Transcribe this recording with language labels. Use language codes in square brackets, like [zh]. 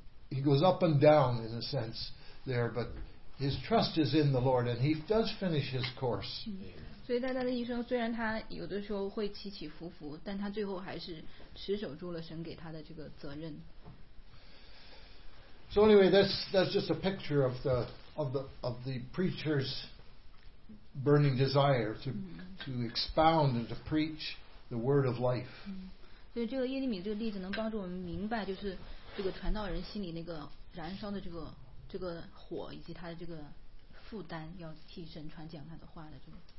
[en] He goes up and down in a sense there, but his trust is in the Lord, and he does finish his course. [zh] 所以大家的一生，虽然他有的时候会起起伏伏，但他最后还是持守住了神给他的这个责任。 [en] So anyway, that's just a picture of the preacher's burning desire to expound and to preach the word of life. [zh] 所以这个耶利米这个例子能帮助我们明白，就是这个传道人心里那个燃烧的这个火，以及他的这个负担，要替神传讲他的话的这个。